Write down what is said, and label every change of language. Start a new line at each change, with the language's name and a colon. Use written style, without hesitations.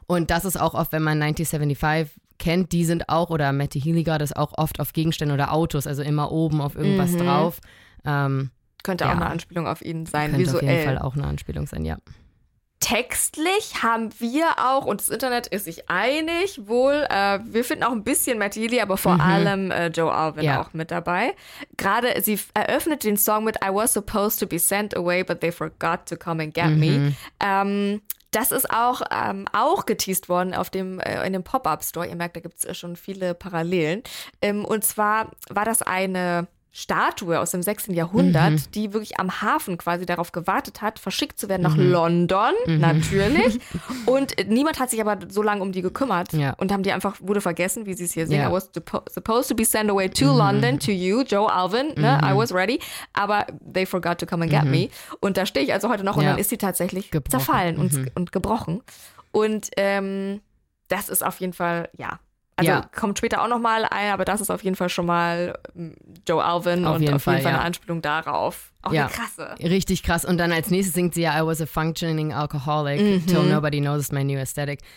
German: Und das ist auch oft, wenn man 1975 kennt, die sind auch, oder Matty Heeligard ist auch oft auf Gegenständen oder Autos, also immer oben auf irgendwas drauf. Könnte auch eine Anspielung auf ihn sein, könnte visuell. Könnte auf jeden Fall auch eine Anspielung sein, ja. Textlich haben wir auch, und das Internet ist sich einig, wohl, wir finden auch ein bisschen Matty Healy, aber vor allem Joe Alwyn auch mit dabei. Gerade, sie eröffnet den Song mit
English: I was supposed to be sent away, but they forgot to come and get me.
German: Das ist auch, auch geteased worden auf dem, in dem Pop-Up-Store. Ihr merkt, da gibt es schon viele Parallelen. Und zwar war das eine Statue aus dem 16. Jahrhundert, die wirklich am Hafen quasi darauf gewartet hat, verschickt zu werden nach London, natürlich. Und niemand hat sich aber so lange um die gekümmert und haben die einfach, wurde vergessen, wie sie es hier sehen.
English: I was supposed to be sent away to London, to you, Joe Alwyn. Ne? I was ready, aber they forgot to come and get me.
German: Und da stehe ich also heute noch und dann ist sie tatsächlich gebrochen. Zerfallen und gebrochen. Und das ist auf jeden Fall, also kommt später auch nochmal ein, aber das ist auf jeden Fall schon mal Joe Alwyn auf und jeden auf jeden Fall, Fall eine Anspielung darauf. Auch eine krasse. Richtig krass. Und dann als nächstes singt sie ja
English: I was a functioning alcoholic till nobody knows my new aesthetic.